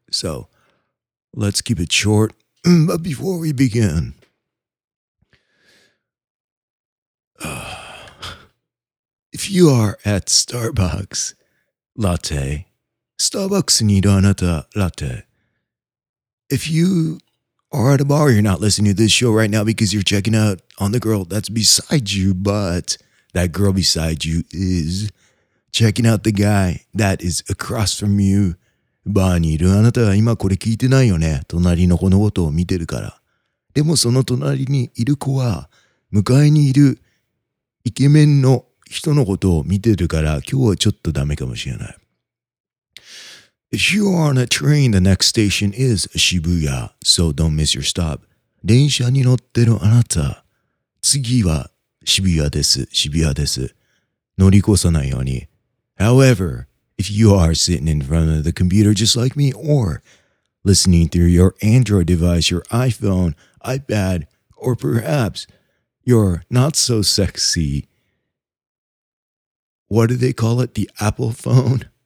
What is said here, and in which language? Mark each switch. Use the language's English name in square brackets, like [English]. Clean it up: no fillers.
[English] So let's keep it short. But before we begin, if you are at Starbucks latte, Starbucks need another latte. If you are at a bar, you're not listening to this show right now because you're checking out on the girl that's beside you, but that girl beside you is checking out the guy that is across from you. [Japanese] バーにいるあなたは今これ聞いてないよね。隣の子のことを見てるから。でもその隣にいる子は向かいにいるイケメンの人のことを見てるから今日はちょっとダメかもしれない。 [English] If you are on a train, the next station is Shibuya, so don't miss your stop. [Japanese] 電車に乗ってるあなた、次は渋谷です、渋谷です。乗り越さないように。 [English] However, if you are sitting in front of the computer just like me, or listening through your Android device, your iPhone, iPad, or perhaps your not-so-sexy, what do they call it, the Apple phone?